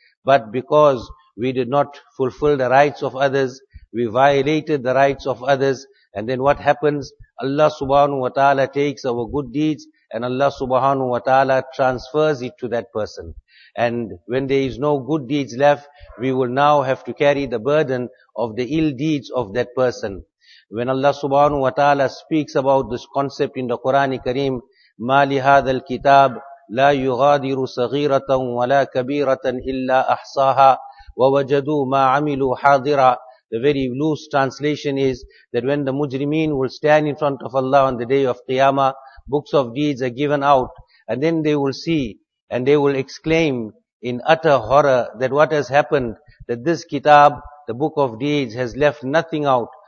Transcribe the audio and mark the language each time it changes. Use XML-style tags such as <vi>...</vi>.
<en>But because we did not fulfill the rights of others, we violated the rights of others, and then what happens? Allah subhanahu wa ta'ala takes our good deeds, and Allah subhanahu wa ta'ala transfers it to that person. And when there is no good deeds left, we will now have to carry the burden of the ill deeds of that person. When Allah subhanahu wa ta'ala speaks about this concept in the Quran Kareem,</en> <ar>مَا لِهَذَا الْكِتَابِ لَا يُغَادِرُ صَغِيرَةً وَلَا كَبِيرَةً إِلَّا أَحْصَاهَا وَوَجَدُوا مَا عَمِلُوا حَاضِرًا.</ar> <en>The very loose translation is that when the mujrimeen will stand in front of Allah on the day of Qiyamah, books of deeds are given out, and then they will see and they will exclaim in utter horror that what has happened, that this kitab, the book of deeds, has left nothing out.</en>